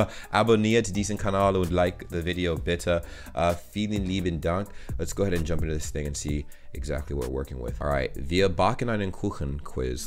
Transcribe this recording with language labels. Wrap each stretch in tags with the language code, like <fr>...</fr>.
<de>Abonniert diesen Kanal und</de> <en>like the video</en> <de>bitte. Vielen lieben Dank.</de> <en>Let's go ahead and jump into this thing and see exactly what we're working with. All right,</en> <de>Wir backen einen Kuchen quiz.</de>